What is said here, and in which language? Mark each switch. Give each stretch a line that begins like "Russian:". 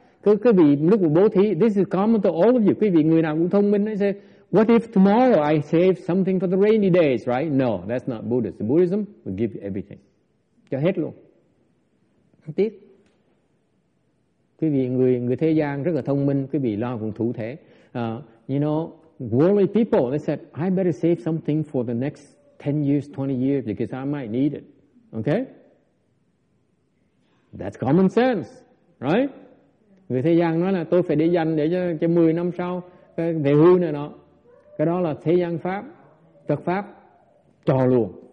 Vietnamese: Quý vị lúc mà bố thí,
English: this is common to all of you.
Vietnamese: Quý vị người nào cũng thông minh,
English: they say, what if tomorrow I save something for the rainy days, right? No, that's not Buddhist. Buddhism will give you everything.
Vietnamese: Cho hết luôn. Không tiếc. Quý vị người thế gian rất là thông minh, quý vị lo cũng thủ thế.
English: You know, worldly people, they said, I better save something for the next 10 years, 20 years, because I might need it. Okay? That's common sense, right?
Vietnamese: Người thế gian nói là tôi phải để dành để cho 10 năm sau về hưu này nọ. Cái đó là thế gian pháp, Phật pháp cho luôn.